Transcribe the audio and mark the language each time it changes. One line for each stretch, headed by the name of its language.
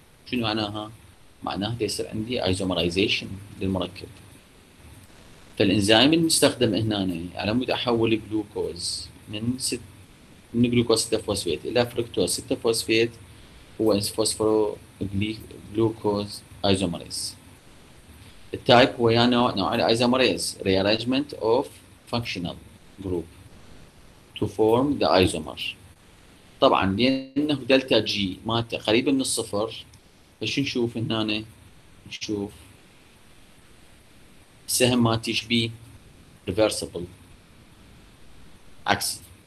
Arabic: شنو معناها؟ معناه يصير عندي ايزومرايزيشن للمركب. فالانزيم المستخدم هنا على مود احول جلوكوز من جلوكوز 6 فوسفيت الى فركتوز 6 فوسفيت هو فوسفورو جلوكوز ايزومريز. التايب هو يا نوع الايزومريز
English: rearrangement of functional group to form the isomer.
Arabic: طبعا لانه دلتا جي مالته قريبه من الصفر، فشو نشوف هنا؟ نشوف السهم ما تشبي ريفرسبل عكسي.